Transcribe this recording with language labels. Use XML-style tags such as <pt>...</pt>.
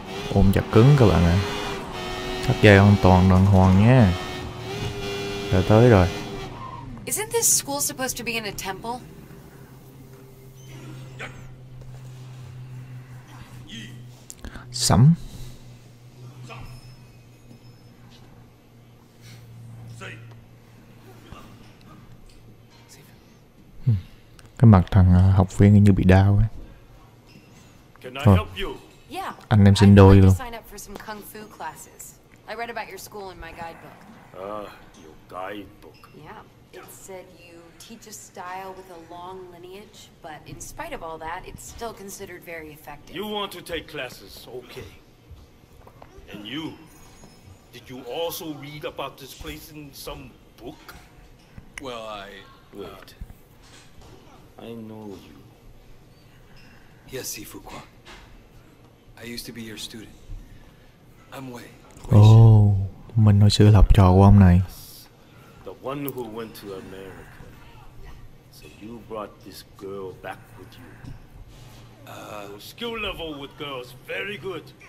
<vi>Ôm chặt cứng các bạn ạ. Thắt dây an toàn đàng hoàng nha. Đã tới rồi.</vi> <en>Isn't this school supposed to be in a temple?</en> <vi>Sắm. Cái mặt thằng học viên như bị đau ấy. Thôi. Anh em xin đôi luôn.</vi> <en>Sign up for some kung fu classes. I read about your school in my guidebook. Your guidebook. Yeah. It said you teach a style with a long lineage, but in spite of all that, it's still considered very effective. You want to take classes, okay. And you, did you also read about this place in some book? Well, I... Wait. I know you. Yes, Sifu Kwan. I used to be your student. I'm Wei.</en> <vi>Oh, mình hồi xưa là học trò của ông này.</vi> <en>The one who went to America. So you brought this girl back with you. Your skill level with girls, very good.</en>